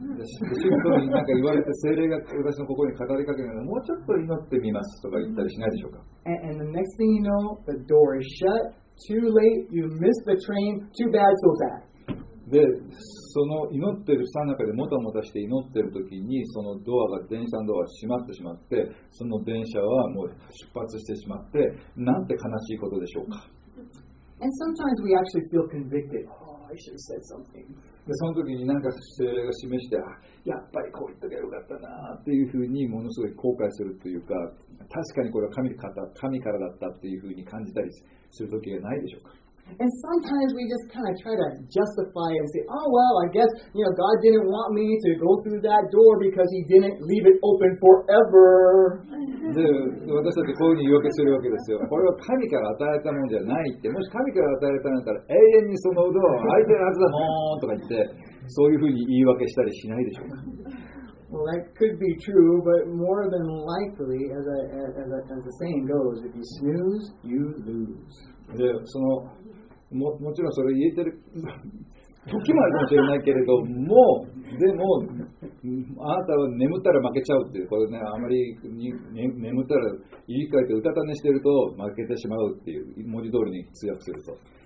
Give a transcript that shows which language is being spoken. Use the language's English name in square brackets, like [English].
[Japanese] で、主にそういうなんか言われて、聖霊が私の心に語りかけるのもうちょっと祈ってみますとか言ったりしないでしょうか。 [English] And the next thing you know, the door is shut. Too late. You missed the train. Too bad. So sad. [Japanese] で、その祈ってる最中でもたもたして祈ってる時に、そのドアが電車のドアが閉まってしまって、その電車はもう出発してしまって、なんて悲しいことでしょうか。 [English] And sometimes we actually feel convicted. Oh, I should have said something. [Japanese] で、その時に何か聖霊が示して、あ、やっぱりこう言っとけばよかったなっていうふうにものすごい後悔するというか、確かにこれは神からだったっていうふうに感じたりする時がないでしょうか。 [English] And sometimes we just kind of try to justify and say, oh, well, I guess, you know, God didn't want me to go through that door because he didn't leave it open forever. [Japanese] で、私だってこういうふうに言い訳するわけですよ。これは神から与えたものじゃないって、もし神から与えられたんだったら永遠にそのドアは開いてるはずだもんとか言って、そういうふうに言い訳したりしないでしょうか。 [English] Well, that could be true, but more than likely, as the saying goes, if you snooze, you lose. [Japanese] で、その、もちろんそれ言えてる時もあるかもしれないけれども、でも、あなたは眠ったら負けちゃうっていう、これね、あまり眠ったら言い換えてうたた寝してると負けてしまうっていう、文字通りに通訳すると。